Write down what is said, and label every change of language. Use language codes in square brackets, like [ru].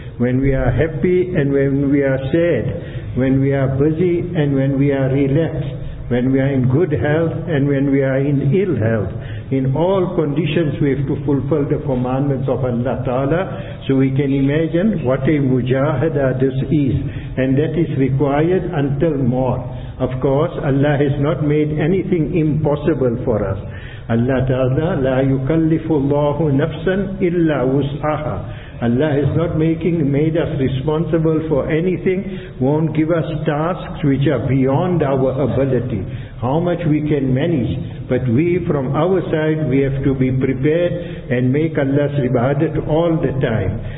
[en] When we are happy and when we are sad, when we are busy and when we are relaxed, when we are in good health and when we are in ill health, in all conditions we have to fulfill the commandments of Allah Ta'ala. So we can imagine what a mujahada this is, and that is required until maut. Of course, Allah has not made anything impossible for us. [ar] Allah Ta'ala, لا يكلف الله نفسا إلا وسعها. [en] Allah is not made us responsible for anything, won't give us tasks which are beyond our ability, how much we can manage. But we, from our side, we have to be prepared and make Allah's ibadat all the time.